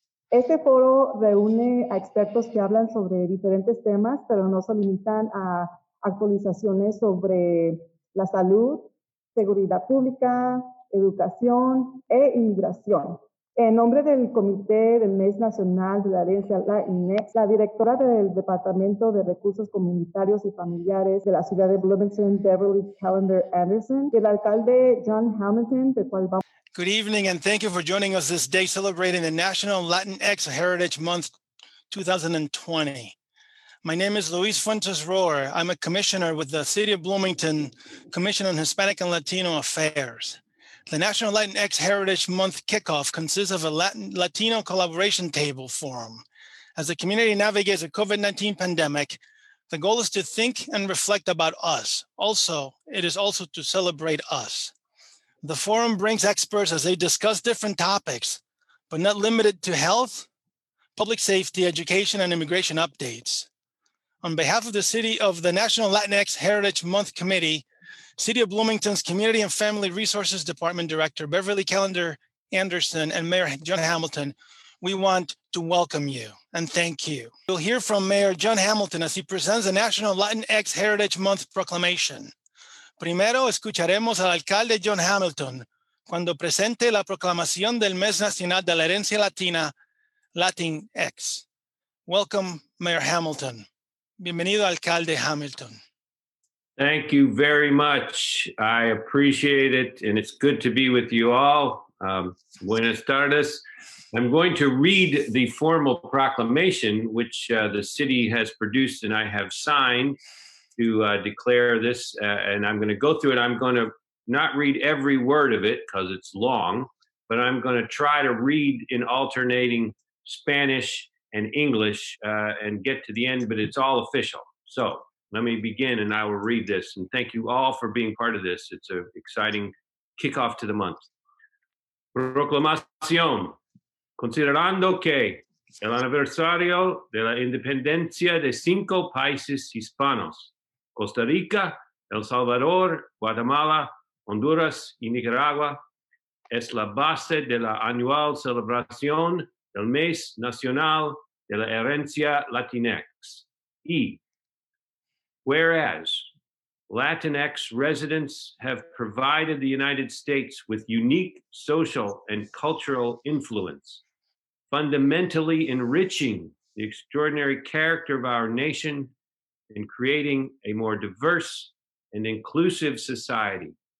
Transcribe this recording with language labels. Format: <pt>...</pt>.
<es>Este foro reúne a expertos que hablan sobre diferentes temas, pero no se limitan a actualizaciones sobre la salud, seguridad pública, educación e inmigración. En nombre del Comité del Mes Nacional de la Herencia Latinx, la directora del Departamento de Recursos Comunitarios y Familiares de la ciudad de Bloomington, Beverly Callender Anderson, y el alcalde John Hamilton, del cual vamos.</es> <en>Good evening and thank you for joining us this day celebrating the National Latinx Heritage Month 2020. My name is Luis Fuentes Rohr. I'm a commissioner with the City of Bloomington Commission on Hispanic and Latino Affairs. The National Latinx Heritage Month kickoff consists of a Latino collaboration table forum. As the community navigates a COVID-19 pandemic, the goal is to think and reflect about us. Also, it is also to celebrate us. The forum brings experts as they discuss different topics, but not limited to health, public safety, education, and immigration updates. On behalf of the City of the National Latinx Heritage Month Committee, City of Bloomington's Community and Family Resources Department Director, Beverly Callender Anderson, and Mayor John Hamilton, we want to welcome you and thank you. You'll hear from Mayor John Hamilton as he presents the National Latinx Heritage Month Proclamation.</en> <es>Primero, escucharemos al alcalde John Hamilton cuando presente la proclamación del Mes Nacional de la Herencia Latina, Latinx.</es> <en>Welcome, Mayor Hamilton.</en> <es>Bienvenido, Alcalde Hamilton.</es> <en>Thank you very much. I appreciate it, and it's good to be with you all.</en> <es>Buenas tardes.</es> <en>I'm going to read the formal proclamation, which the city has produced and I have signed to declare this, and I'm going to go through it. I'm going to not read every word of it because it's long, but I'm going to try to read in alternating Spanish and English and get to the end, but it's all official. So let me begin and I will read this. And thank you all for being part of this. It's an exciting kickoff to the month.</en> <es>Proclamación. Considerando que el aniversario de la independencia de cinco países hispanos, Costa Rica, El Salvador, Guatemala, Honduras y Nicaragua, es la base de la anual celebración del mes nacional de la herencia Latinx. E.</es> <en>Whereas Latinx residents have provided the United States with unique social and cultural influence, fundamentally enriching the extraordinary character of our nation and creating a more diverse and inclusive society.</en>